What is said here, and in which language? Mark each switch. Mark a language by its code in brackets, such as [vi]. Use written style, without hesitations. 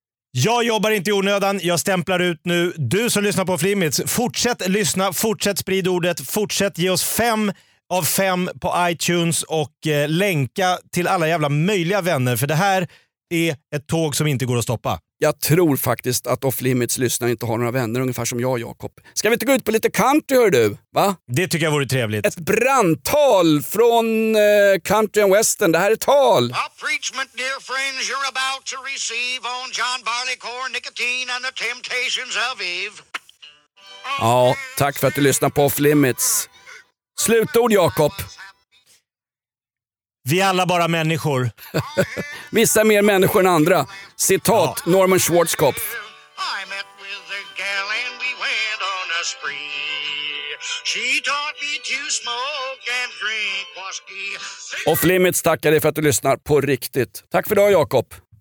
[sv] Jag jobbar inte i onödan, jag stämplar ut nu. Du som lyssnar på Flimits, fortsätt lyssna, fortsätt sprid ordet, fortsätt ge oss 5 av 5 på iTunes och länka till alla jävla möjliga vänner. För det här är ett tåg som inte går att stoppa. Jag tror faktiskt att Off Limits lyssnare inte har några vänner, ungefär som jag, Jakob. Ska vi inte gå ut på lite country, hör du? Va? Det tycker jag vore trevligt. Ett brandtal från country and western. Det här är tal. [en] A preachment, dear friends, you're about to receive on John Barleycorn, Nicotine and the Temptations of Eve. [sv] Ja, tack för att du lyssnar på Off Limits. Slutord, Jakob. Vi är alla bara människor. Vissa mer människor än andra. Citat, ja. Norman Schwarzkopf. [en] I met with a gal and we went on a spree. She taught me to smoke and drink whiskey. [sv] Off Limits tackar dig för att du lyssnar på riktigt. Tack för idag, Jakob.